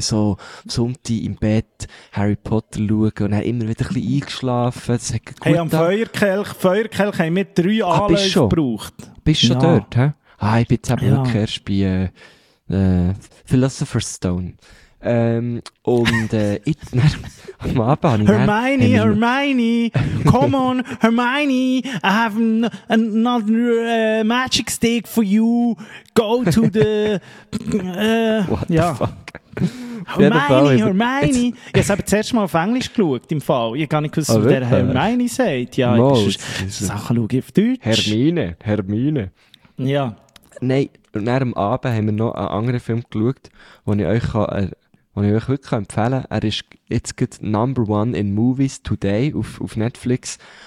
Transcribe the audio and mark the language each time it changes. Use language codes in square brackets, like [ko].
[de] So, Sonntag im Bett, Harry Potter schauen und dann immer wieder ein bisschen eingeschlafen. Das hat gut am Feuerkelch, Feuerkelch haben wir 3 Anläufe gebraucht. Bist du schon dort, hä? Ah, ich bin jetzt eben wirklich erst bei, Philosopher's Stone. Am Abend habe ich [en] Hermione, Hermione, come on, Hermione, I have another magic stick for you, go to the, what the fuck? [de] Hermione, ich habe eben das erste Mal auf Englisch geschaut, im Fall. Ich kann nicht wissen, was der Hermione sagt. Ja, Sachen schaue ich auf Deutsch. Hermine. Ja. Nein, nach dem Abend haben wir noch einen anderen Film geschaut, den ich euch wirklich empfehlen kann. Er ist jetzt gerade [en] Number One in Movies Today [de] auf Netflix.